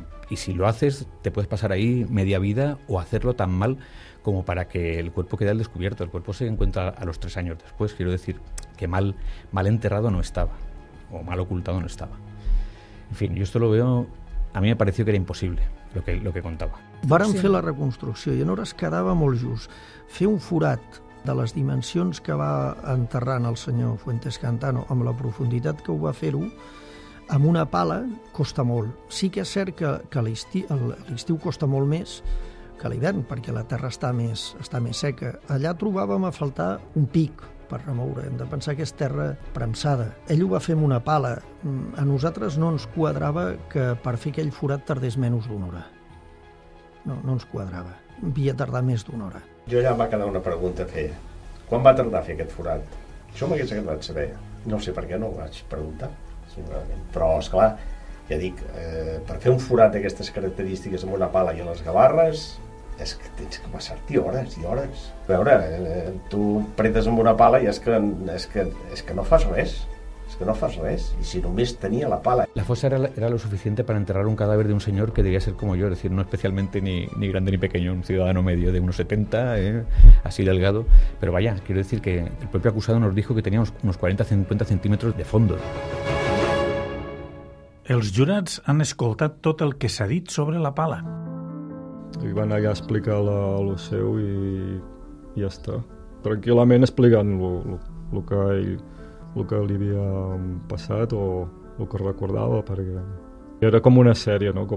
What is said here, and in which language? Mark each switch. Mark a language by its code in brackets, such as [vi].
[es] Y si lo haces, te puedes pasar ahí media vida o hacerlo tan mal como para que el cuerpo quede al descubierto. El cuerpo se encuentra a los 3 años después, quiero decir, que mal enterrado no estaba, o mal ocultado no estaba. En fin, yo esto lo veo... A mí me pareció que era imposible lo que contaba. [ca] Varen fer la reconstrucció i en hores quedava molt just. Fer un forat de les dimensions que va enterrar el senyor Fuentes Cantano, amb la profunditat que ho va fer-ho, amb una pala, costa molt. Sí que és cert que l'estiu costa molt més que l'hivern, perquè la terra està més seca. Allà trobàvem a faltar un pic per remoure. Hem de pensar que és terra premsada. Ell ho va fer amb una pala. A nosaltres no ens quadrava que per fer aquell forat tardés menys d'una hora. No ens quadrava. Havia tardat més d'una hora. Jo allà em va quedar una pregunta a fer. Quan va tardar a fer aquest forat? Això m'hagués agradat saber. No sé per què no ho vaig preguntar. Però, esclar, ja dic, per fer un forat d'aquestes característiques amb una pala i a les gavarres, és que tens que passar-t'hi hores i hores. A veure, tu pretes amb una pala i és que no fas res. És que no fas res, i si només tenia la pala. [es] La fosa era lo suficiente para enterrar un cadáver de un señor que debía ser como yo, es decir, no especialmente ni grande ni pequeño, un ciudadano medio de unos 70, así delgado, pero vaya, quiero decir que el propio acusado nos dijo que tenía unos 40-50 centímetros de fondo. [ca] Els jurats han escoltat tot el que s'ha dit sobre la pala. I van allà a explicar el seu i ja està. Tranquil·lament explicant el que li havia passat o el que recordava, perquè era com una sèrie, no?